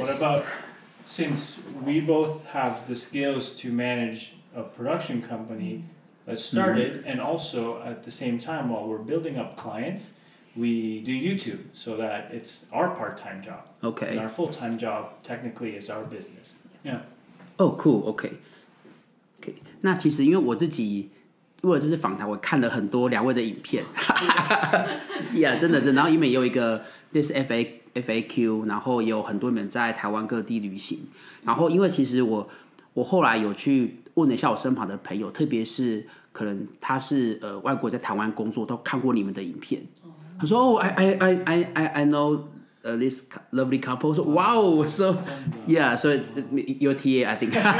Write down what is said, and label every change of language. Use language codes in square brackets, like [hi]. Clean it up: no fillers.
[en] What about, since we both have the skills to manage a production company, let's start it, and also at the same time while we're building up clients, we do YouTube so that it's our part-time job. Okay. And our full-time job technically is our business. Yeah. Oh, cool. Okay. Okay. [zh] 那其实因为我自己为了这次访谈，我看了很多两位的影片。 [en] Yeah, [zh] 真的真的。然后因为有一个 This FAQ, 然后也有很多人在台湾各地旅行。然后因为其实我后来有去问了一下我身旁的朋友，特别是可能他是外国在台湾工作，都看过你们的影片。他说 [en] I know this lovely couple. [zh] 说 [en] wow, so yeah, so your TA, I think.